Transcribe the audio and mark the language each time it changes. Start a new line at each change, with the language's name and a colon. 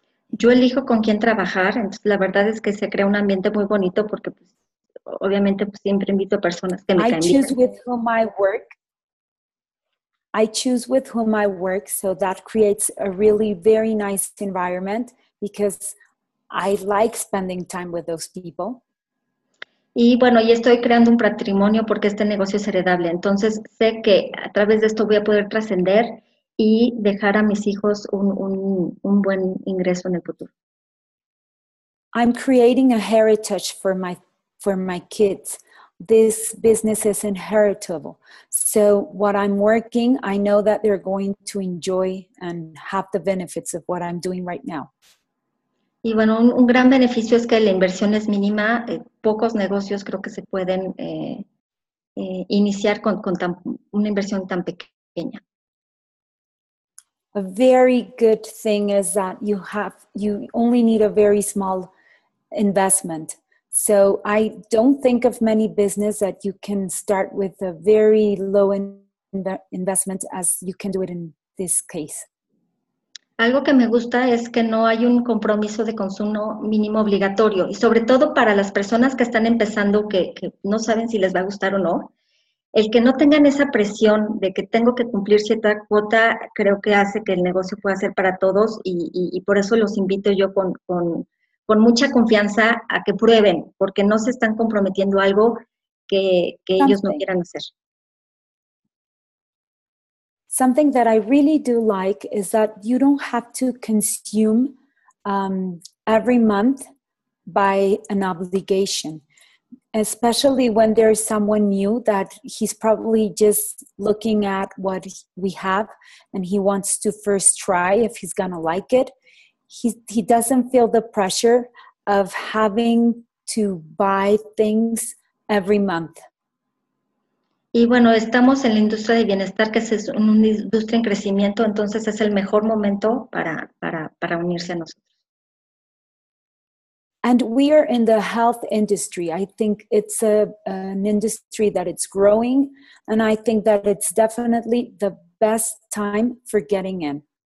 Spanish: Yo elijo con quién trabajar, entonces la verdad es que se crea un ambiente muy bonito porque pues, obviamente pues, siempre invito a personas que me caen bien.
English: I choose with whom I work. I choose with whom I work, so that creates a really very nice environment because I like spending time with those people.
Spanish: Y bueno, y estoy creando un patrimonio porque este negocio es heredable. Entonces sé que a través de esto voy a poder trascender y dejar a mis hijos un buen ingreso en el futuro.
English: I'm creating a heritage for my kids. This business is inheritable. So what I'm working, I know that they're going to enjoy and have the benefits of what I'm doing right now.
Spanish: Y bueno, un gran beneficio es que la inversión es mínima. Pocos negocios creo que se pueden iniciar con una inversión tan pequeña.
English: A very good thing is that you only need a very small investment. So I don't think of many businesses that you can start with a very low investment as you can do it in this case.
Spanish: Algo que me gusta es que no hay un compromiso de consumo mínimo obligatorio. Y sobre todo para las personas que están empezando, que no saben si les va a gustar o no, el que no tengan esa presión de que tengo que cumplir cierta cuota, creo que hace que el negocio pueda ser para todos. Y por eso los invito yo con mucha confianza a que prueben, porque no se están comprometiendo algo que ellos no quieran hacer.
English: Something that I really do like is that you don't have to consume every month by an obligation, especially when there's someone new that he's probably just looking at what we have and he wants to first try if he's going to like it. He doesn't feel the pressure of having to buy things every month.
Spanish: Y bueno, estamos en la industria de bienestar, que es una industria en crecimiento, entonces es el mejor momento para unirse a nosotros.
English: And we are in the health industry. I think it's an industry that it's growing, and I think that it's definitely the best time for getting in.